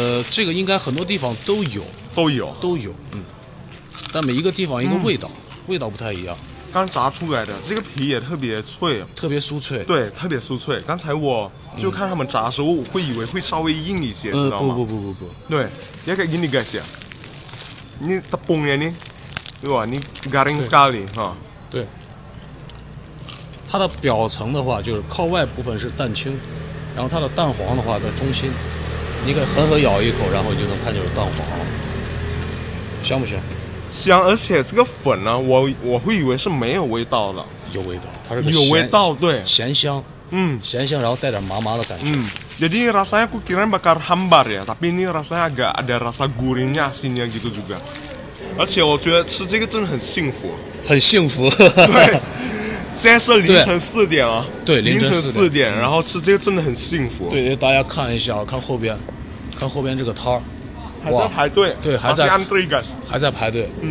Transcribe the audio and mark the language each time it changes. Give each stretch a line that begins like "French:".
Chinese: 这个应该很多地方都有，都有，都有。嗯，但每一个地方一个味道，味道不太一样。刚炸出来的这个皮也特别脆，特别酥脆。对，特别酥脆。刚才我就看他们炸的时候，我会以为会稍微硬一些，知道吗？不不不不不。对，也给你感谢。
Indonesian: Ini tepungnya ini, wah ini garing sekali, ha.
Chinese: 对，它的表层的话就是靠外部分是蛋清，然后它的蛋黄的话在中心，你可以狠狠咬一口，然后就能看见有蛋黄了。香不香？香，而且这个粉呢，我会以为是没有味道的。有味道，它是个有味道，对，咸香，咸香，然后带点麻麻的感觉。
Indonesian: Jadi rasanya aku kira bakar hambar ya, tapi ini rasanya agak ada rasa gurihnya asinnya gitu juga.
Chinese: 而且我觉得吃这个真的很幸福，很幸福。对，现在是凌晨四点啊。对，凌晨四点，然后吃这个真的很幸福。对，大家看一下，看后边，看后边这个摊儿，还在排队。对，还在。西安队 guys 还在排队。